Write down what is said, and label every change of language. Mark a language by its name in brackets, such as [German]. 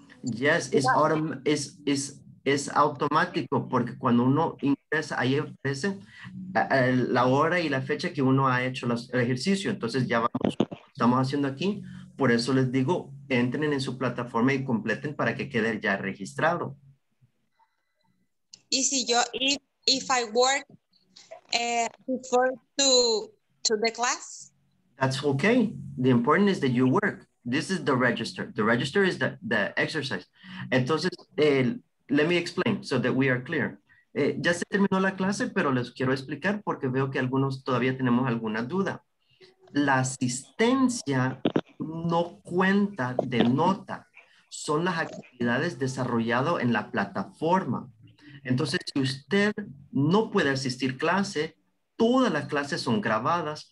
[English] Yes, it's [Spanish] automático, porque cuando uno ingresa, ahí aparece la hora y la fecha que uno ha hecho el ejercicio. Entonces ya vamos, estamos haciendo aquí por eso les digo, entren en su plataforma y completen para que quede ya registrado. Y si yo, [English] if I work before to the class? That's okay. The important is that you work. This is the register. The register is the exercise. Entonces, let me explain so that we are clear. [Spanish] Ya se terminó la clase, pero les quiero explicar porque veo que algunos todavía tenemos alguna duda. La asistencia no cuenta de nota. Son las actividades desarrolladas en la plataforma. Entonces, si usted no puede asistir clase, todas las clases son grabadas.